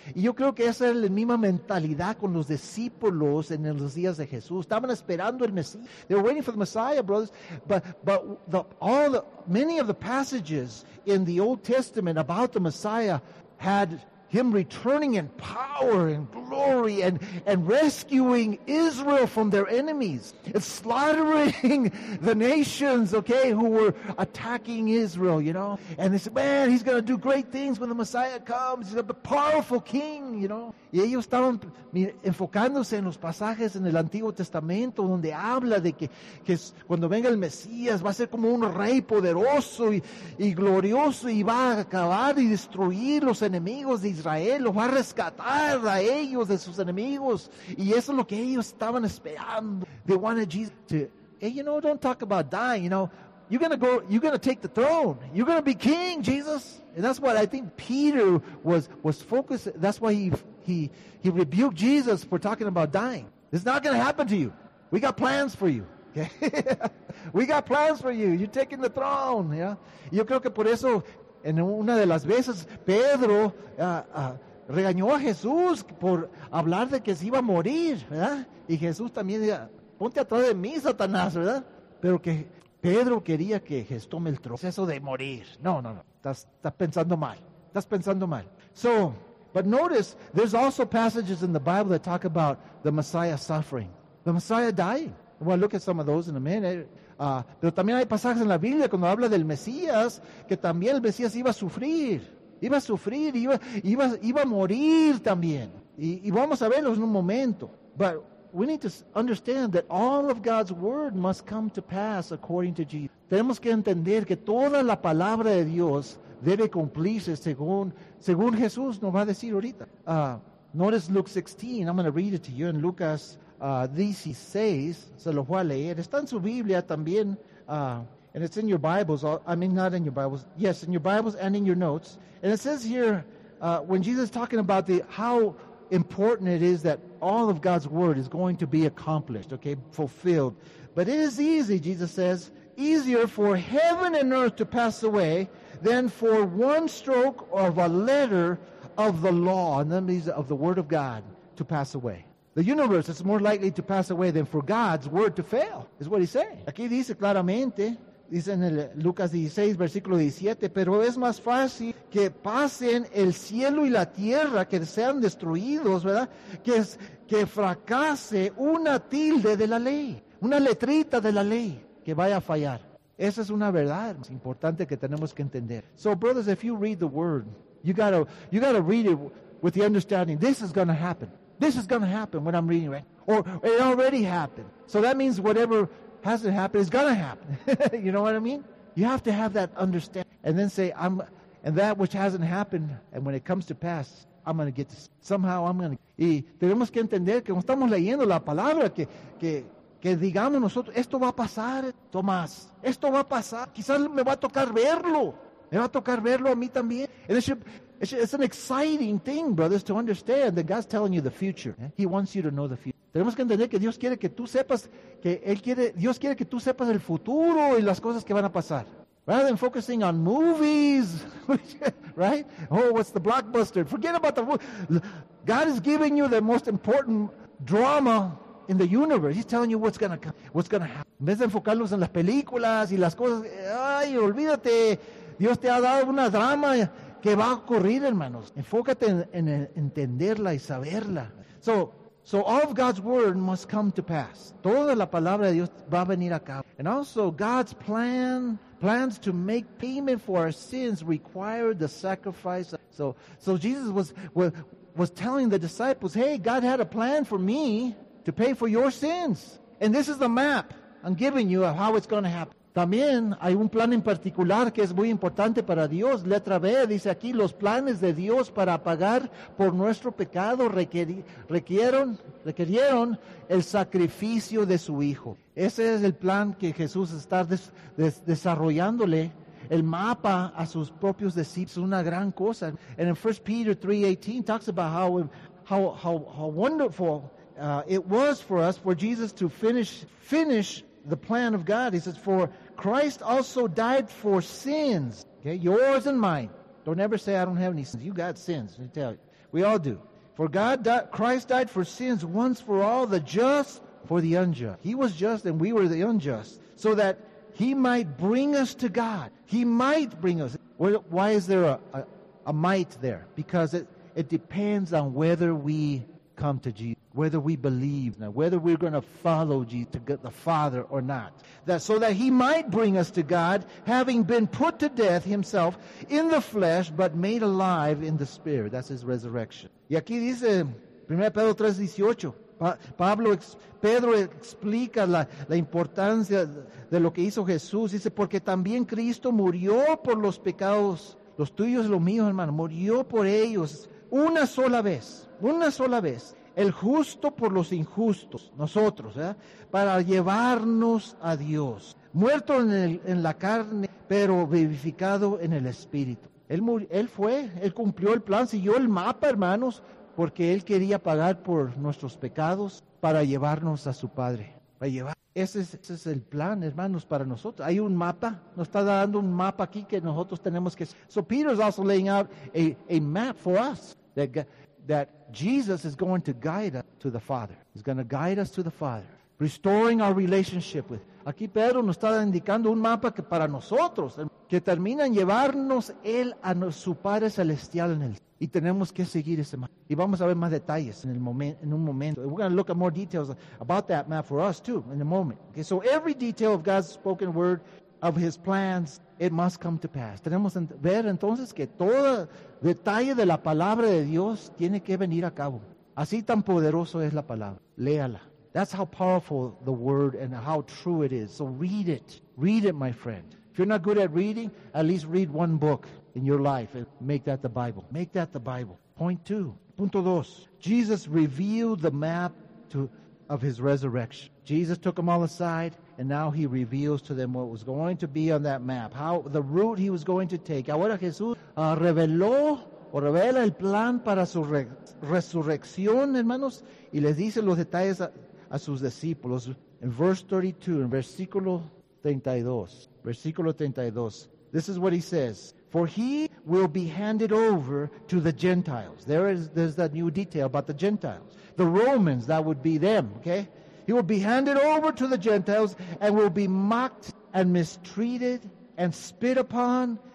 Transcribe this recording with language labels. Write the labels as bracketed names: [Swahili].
[Spanish] Y yo creo que esa era la misma mentalidad con los discípulos en los días de Jesús. Estaban esperando el Mesías. [English] They were waiting for the Messiah, brothers. But many of the passages in the Old Testament about the Messiah had Him returning in power and glory and rescuing Israel from their enemies. It's slaughtering the nations, okay, who were attacking Israel, you know. And they said, man, he's going to do great things when the Messiah comes. He's a powerful king, you know. [Spanish] Y ellos estaban enfocándose en los pasajes en el Antiguo Testamento donde habla de que cuando venga el Mesías va a ser como un rey poderoso y glorioso y va a acabar y destruir los enemigos de Israel, los va a rescatar a ellos de sus enemigos. Y eso es lo que ellos estaban esperando. [English] They wanted Jesus to, hey, you know, don't talk about dying, you know. You're going to take the throne. You're going to be king, Jesus. And that's what I think Peter was focused. That's why he rebuked Jesus for talking about dying. It's not going to happen to you. We got plans for you. Okay? We got plans for you. You're taking the throne. Yeah. [Spanish] Yo creo que por eso, en una de las veces, Pedro regañó a Jesús por hablar de que se iba a morir. ¿Verdad? Y Jesús también decía, ponte atrás de mí, Satanás. ¿Verdad? Pero que Pedro quería que Jesús tome el trono. Es eso de morir. No. Estás pensando mal. Estás pensando mal. [English] So, but notice, there's also passages in the Bible that talk about the Messiah suffering. The Messiah dying. We'll look at some of those in a minute. [Spanish] Pero también hay pasajes en la Biblia cuando habla del Mesías, que también el Mesías iba a sufrir. Iba a sufrir, iba a morir también. Y vamos a verlos en un momento. [English] But we need to understand that all of God's word must come to pass according to Jesus. [Spanish] Tenemos que entender que toda la palabra de Dios debe cumplirse según Jesús nos va a decir ahorita. [English] Notice Luke 16. I'm going to read it to you in Lucas 16. [Spanish] Se lo voy a leer. Está en su Biblia también. [English] And it's in your Bibles. I mean, not in your Bibles. Yes, in your Bibles and in your notes. And it says here, when Jesus is talking about how important it is that all of God's word is going to be accomplished, okay, fulfilled. But it is easy, Jesus says, easier for heaven and earth to pass away than for one stroke of a letter of the law, and that means of the word of God, to pass away. The universe is more likely to pass away than for God's word to fail, is what he's saying. [Spanish] Aquí dice claramente, dice en el Lucas 16, versículo 17, pero es más fácil que pasen el cielo y la tierra, que sean destruidos, ¿verdad? Que fracase una tilde de la ley, una letrita de la ley que vaya a fallar. Esa es una verdad más importante que tenemos que entender. [English] So, brothers, if you read the word, you gotta read it with the understanding, this is going to happen. This is going to happen when I'm reading it. Or it already happened. So that means whatever hasn't happened, it's going to happen. You know what I mean? You have to have that understanding. And then say, and that which hasn't happened, and when it comes to pass, I'm going to get to, somehow I'm going to. [Spanish] Y tenemos que entender que estamos leyendo la palabra, que digamos nosotros, esto va a pasar, Tomás. Esto va a pasar. Quizás me va a tocar verlo. Me va a tocar verlo a mí también. [English] And it's an exciting thing, brothers, to understand that God's telling you the future. Eh? He wants you to know the future. [Spanish] Tenemos que entender que Dios quiere que tú sepas que Él quiere, Dios quiere que tú sepas el futuro y las cosas que van a pasar. [English] Rather than focusing on movies, right? Oh, what's the blockbuster? Forget about the God is giving you the most important drama in the universe. He's telling you what's going to come, what's going to happen. [Spanish] En vez de enfocarnos en las películas y las cosas, ay, olvídate. Dios te ha dado una drama que va a ocurrir, hermanos. Enfócate en entenderla y saberla. [English] So all of God's word must come to pass. [Spanish] Toda la palabra de Dios va a venir a cabo. [English] And also God's plans to make payment for our sins require the sacrifice. So Jesus was was telling the disciples, hey, God had a plan for me to pay for your sins. And this is the map I'm giving you of how it's going to happen. [Spanish] También hay un plan en particular que es muy importante para Dios. Letra B dice aquí, los planes de Dios para pagar por nuestro pecado requirieron el sacrificio de su Hijo. Ese es el plan que Jesús está desarrollándole. El mapa a sus propios discípulos es una gran cosa. [English] And in 1 Peter 3:18 talks about how wonderful it was for us, for Jesus to finish the plan of God. He says, for Christ also died for sins. Okay, yours and mine. Don't ever say I don't have any sins. You got sins. Let me tell you. We all do. For God, Christ died for sins once for all, the just for the unjust. He was just and we were the unjust. So that He might bring us to God. He might bring us. Why is there a might there? Because it depends on whether we come to Jesus, whether we believe, now, whether we're going to follow Jesus to get the Father or not. So that He might bring us to God, having been put to death Himself in the flesh, but made alive in the Spirit. That's His resurrection. [Spanish] Y aquí dice, 1 Pedro 3:18, Pedro explica la importancia de lo que hizo Jesús. Dice, porque también Cristo murió por los pecados, los tuyos y los míos, hermano, murió por ellos una sola vez. El justo por los injustos, nosotros, ¿verdad? Para llevarnos a Dios. Muerto en la carne, pero vivificado en el Espíritu. Él cumplió el plan, siguió el mapa, hermanos, porque Él quería pagar por nuestros pecados para llevarnos a su Padre. Ese es el plan, hermanos, para nosotros. Hay un mapa, nos está dando un mapa aquí que nosotros tenemos que... [English] So Peter's also laying out a map for us that Jesus is going to guide us to the Father. He's going to guide us to the Father. Restoring our relationship with Him. [Spanish] Aquí Pedro nos está indicando un mapa que para nosotros, que termina en llevarnos Él a su Padre Celestial en el... Y tenemos que seguir ese mapa. Y vamos a ver más detalles en un momento. [English] We're going to look at more details about that map for us too in a moment. Okay, so every detail of God's spoken word, of His plans, it must come to pass. [Spanish] Tenemos que ver entonces que todo detalle de la palabra de Dios tiene que venir a cabo. Así tan poderoso es la palabra. Léala. [English] That's how powerful the word and how true it is. So read it. Read it, my friend. If you're not good at reading, at least read one book in your life and make that the Bible. Make that the Bible. Point two. [Spanish] Punto dos. [English] Jesus revealed the map of His resurrection. Jesus took them all aside, and now He reveals to them what was going to be on that map, how the route He was going to take. [Spanish] Ahora Jesús revela el plan para su resurrección, hermanos, y les dice los detalles a sus discípulos. [English] In verse 32, in versículo 32, this is what He says, for He will be handed over to the Gentiles. There's that new detail about the Gentiles. The Romans, that would be them, okay? He will be handed over to the Gentiles and will be mocked and mistreated and spit upon.